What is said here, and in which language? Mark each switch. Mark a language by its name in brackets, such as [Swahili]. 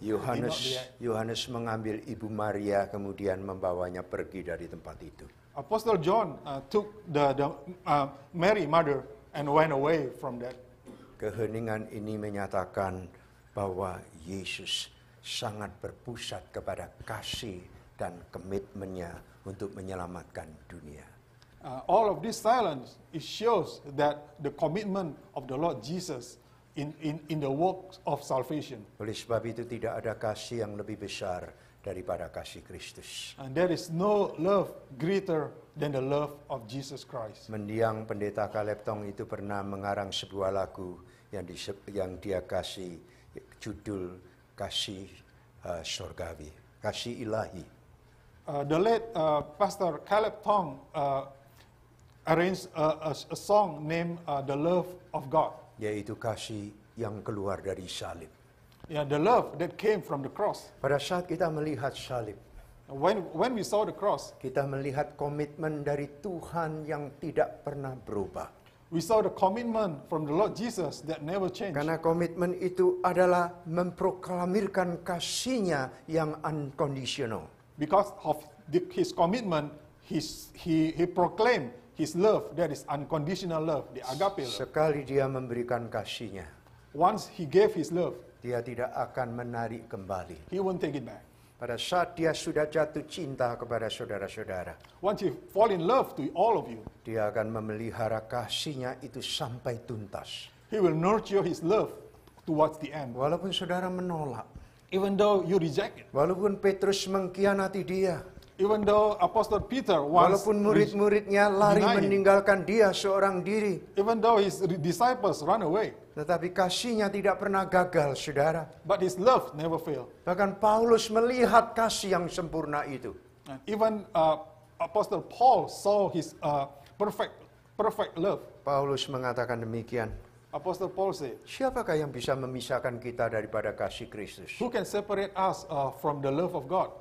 [Indonesian] Yohanes mengambil Ibu Maria kemudian membawanya pergi dari tempat itu. [English] Apostle John took the Mary mother and went away from that. [Indonesian] Keheningan ini menyatakan bahwa Yesus sangat berpusat kepada kasih dan komitmennya untuk menyelamatkan dunia. [English] All of this silence it shows that the commitment of the Lord Jesus in the work of salvation. [Indonesian] Oleh sebab itu tidak ada kasih yang lebih besar daripada kasih Kristus. [English] And there is no love greater than the love of Jesus Christ. [Indonesian] Mendiang pendeta Caleb Tong itu pernah mengarang sebuah lagu yang dia kasih judul kasih surgawi, kasih ilahi. [English] The late Pastor Caleb Tong arranged a song named The Love of God. [Indonesian] Yaitu kasih yang keluar dari salib. [English] Yeah, the love that came from the cross. [Indonesian] Pada saat kita melihat salib, [English] when we saw the cross, [Indonesian] kita melihat komitmen dari Tuhan yang tidak pernah berubah. [English] We saw the commitment from the Lord Jesus that never changed. [Indonesian] Karena komitmen itu adalah memproklamirkan kasih-Nya yang unconditional. [English] Because of his commitment, he proclaimed his love that is unconditional love, the agape love. [Indonesian] Sekali dia memberikan kasih-Nya, [English] once he gave his love, [Indonesian] dia tidak akan menarik kembali. [English] He won't take it back. [Indonesian] Pada saat dia sudah jatuh cinta kepada saudara-saudara, [English] once he fall in love to all of you, [Indonesian] dia akan memelihara kasih-Nya itu sampai tuntas. [English] He will nurture his love towards the end. [Indonesian] Walaupun saudara menolak, [English] even though you reject it, [Indonesian] walaupun Petrus mengkhianati dia, [English] even though Apostle Peter once, [Indonesian] walaupun murid-muridnya lari meninggalkan dia seorang diri, [English] even though his disciples run away, [Indonesian] tetapi kasih-Nya tidak pernah gagal, saudara. [English] But his love never fail. [Indonesian] Bahkan Paulus melihat kasih yang sempurna itu. [English] And even Apostle Paul saw his perfect love. [Indonesian] Paulus mengatakan demikian. [English] Apostle Paul said, [Indonesian] siapakah yang bisa memisahkan kita daripada kasih Kristus? [English] Who can separate us from the love of God?